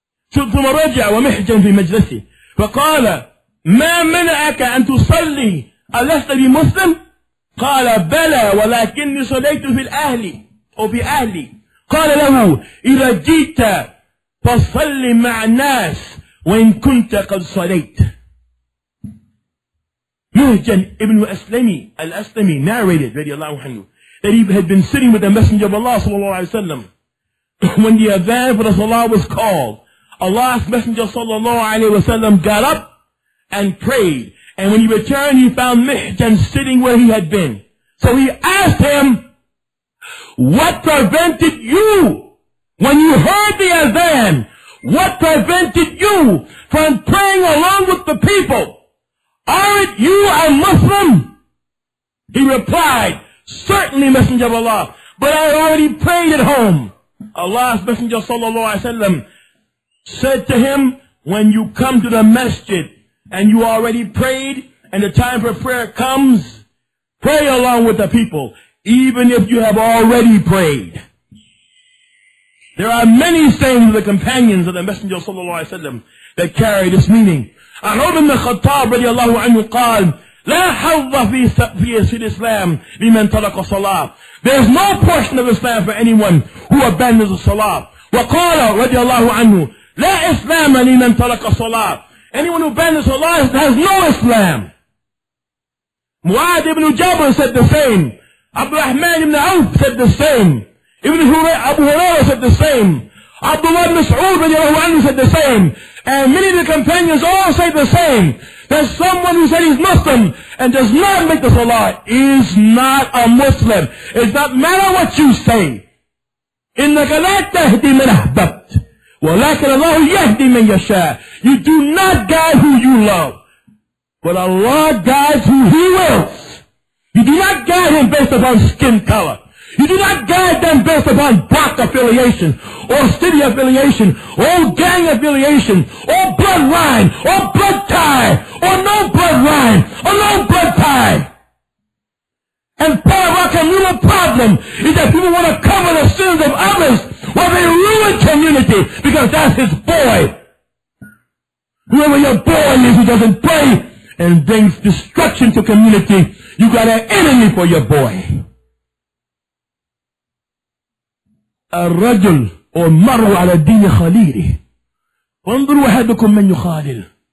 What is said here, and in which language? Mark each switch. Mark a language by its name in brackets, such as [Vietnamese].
[Arabic] ثم رجع ومحجن في مجلسه فقال ما منعك أن تصلي ألست بمسلم قال بلى ولكني صليت في الأهل أو في أهلي قال له إذا جئت فصلي مع الناس وإن كنت قد صليت [English] Mihjan ibn Aslami, al-Aslami narrated, radiallahu anhu, that he had been sitting with the Messenger of Allah, sallallahu alayhi wa sallam. When the adhan for the salah was called, Allah's Messenger, sallallahu alayhi wa sallam, got up and prayed. And when he returned, he found Mihjan sitting where he had been. So he asked him, what prevented you, when you heard the adhan, what prevented you from praying along with the people? Aren't you a Muslim? He replied, certainly, Messenger of Allah, but I already prayed at home. Allah's Messenger, sallallahu alayhi wa sallam, said to him, when you come to the masjid and you already prayed and the time for prayer comes, pray along with the people, even if you have already prayed. There are many sayings of the companions of the Messenger, sallallahu alayhi wa sallam, that carry this meaning. [Arabic] عمر بن الخطاب رضي الله عنه قال لا حظ في الإسلام لمن ترك الصلاة. [English] There's no portion of Islam for anyone who abandons the salah. [Arabic] وقال رضي الله عنه لا إسلام لمن ترك الصلاة. [English] Anyone who abandons Allah has no Islam. معاذ بن جبل said the same. عبد الرحمن بن عوف said the same. ابن أبو هريرة said the same. عبد الله بن مسعود رضي الله عنه said the same. And many of the companions all say the same. There's someone who said he's Muslim and does not make the salah is not a Muslim. It's not matter what you say. [Arabic] إِنَّكَ لَا تَهْدِي مَنْ أَحْبَبْتْ وَلَكِنَ اللَّهُ يَهْدِي مَنْ يَشَاءُ. [English] You do not guide who you love. But Allah guides who He wills. You do not guide Him based upon skin color. You do not guide them based upon block affiliation, or city affiliation, or gang affiliation, or bloodline, or blood tie, or no bloodline, or no blood tie. And part of our communal problem is that people want to cover the sins of others while they ruin community because that's his boy. Whoever your boy is who doesn't pray and brings destruction to community, you got an enemy for your boy. [Arabic] الرجل ومر على دين خليله وانظروا أحدكم من يخالل.